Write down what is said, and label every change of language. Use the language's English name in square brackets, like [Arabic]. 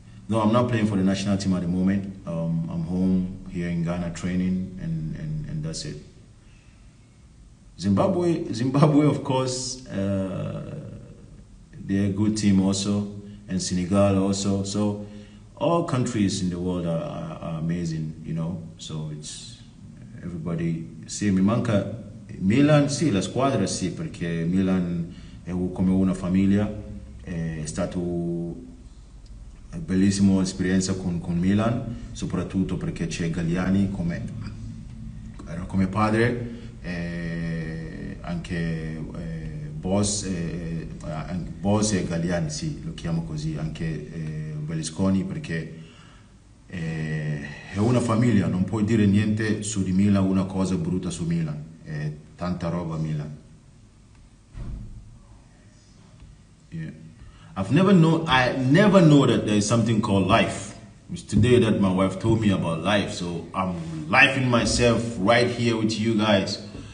[English] No, I'm not playing for the national team at the moment. I'm home here in Ghana training and that's it. Zimbabwe, of course, they're a good team also, and Senegal also. So all countries in the world are amazing, you know. So it's everybody. [Italian] Sì, mi manca Milan, sì, la squadra sì, perché Milan è come una famiglia, è stato bellissima esperienza con Milan, soprattutto perché c'è Galliani come padre, e anche Boss e Galliani, sì, lo chiamo così, anche Berlusconi, perché è una famiglia, non puoi dire niente su di Milan, una cosa brutta su Milan, è tanta roba Milan. [English] Yeah. I never know that there is something called life. It's today that my wife told me about life, so I'm lifing myself right here with you guys.